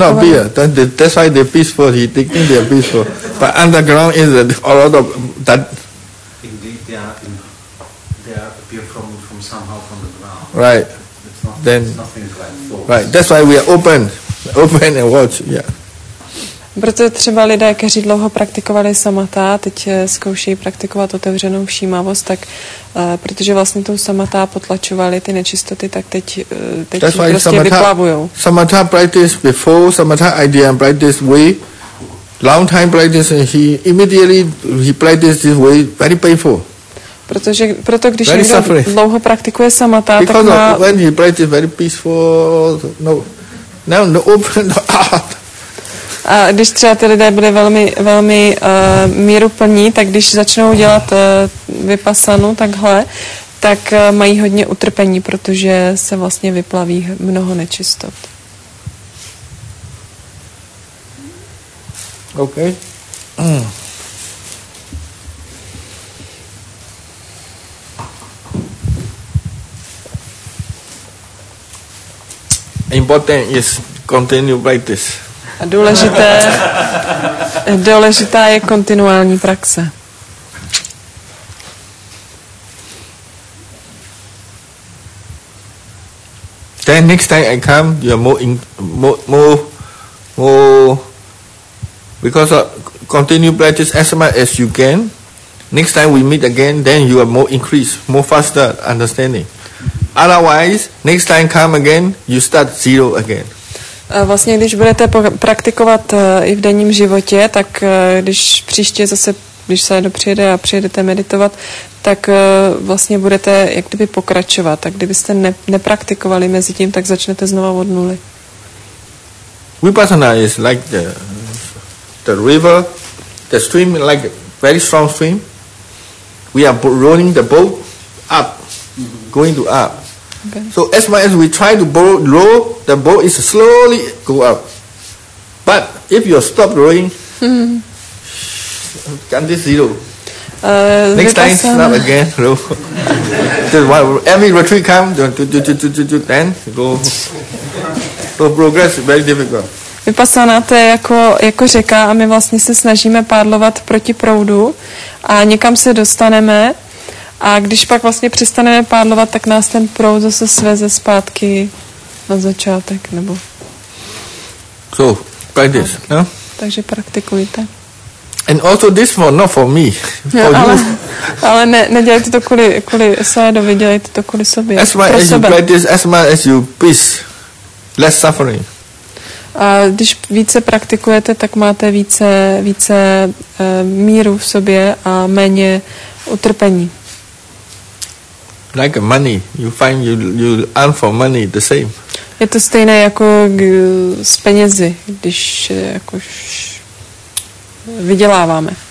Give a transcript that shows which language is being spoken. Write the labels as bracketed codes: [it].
[en] They are not beer, that's why they're peaceful, he thinking they are peaceful. But underground is a lot of that... Indeed, they appear from somehow from the ground. Right. It's nothing like force. Right, that's why we are open, open and watch, yeah. [cs] Proto třeba lidé, kteří dlouho praktikovali samatha, teď zkoušejí praktikovat otevřenou všímavost, tak protože vlastně tou samatha potlačovali ty nečistoty, tak teď prostě vyplavujou. [en] Samatha practice before, samatha idea and practice way, long time practice and he immediately practice this way, very painful. [cs] Proto když někdo dlouho praktikuje samatha, [en] because [cs] tak má... [en] Because when he practice very peaceful, no open, [cs] a když třeba ty lidé byli velmi míruplní, tak když začnou dělat vypasanu takhle, tak mají hodně utrpení, protože se vlastně vyplaví mnoho nečistot. [en] OK. Important is continue like this. [cs] A důležitá je kontinuální praxe. [en] Then next time I come, you are more because of continue practice as much as you can. Next time we meet again, then you are more increased, more faster understanding. Otherwise, next time come again, you start zero again. [cs] Vlastně, když budete praktikovat i v denním životě, tak když příště zase, když se dopřijede a přijedete meditovat, tak vlastně budete jak kdyby pokračovat. Tak kdybyste nepraktikovali mezi tím, tak začnete znova od nuly. [en] Vipassana is like the river, the stream, like a very strong stream. We are rolling the boat up, going to up. Okay. So as much as we try to row, the boat is slowly go up. But if you stop rowing, can this zero? Next time, stop again, row. Every retreat comes, then go. So progress is very difficult. [cs] Vypasaná, to je jako řeka a my vlastně se snažíme pádlovat proti proudu a někam se dostaneme. A když pak vlastně přestaneme pádlovat, tak nás ten proud zase sveze zpátky na začátek, nebo... [en] So, practice, no? Yeah? [cs] Takže praktikujte. [en] And also this one, not for me, for you. [cs] Ale nedělejte to kvůli Sayadovi, dělejte to kvůli sobě, [en] as much as [cs] sebe. [en] You practice, as much as you peace, less suffering. [cs] A když více praktikujete, tak máte více míru v sobě a méně utrpení. [en] Like money, you find you earn for money the same. [cs] Je to stejné jako s penězi, když vyděláváme.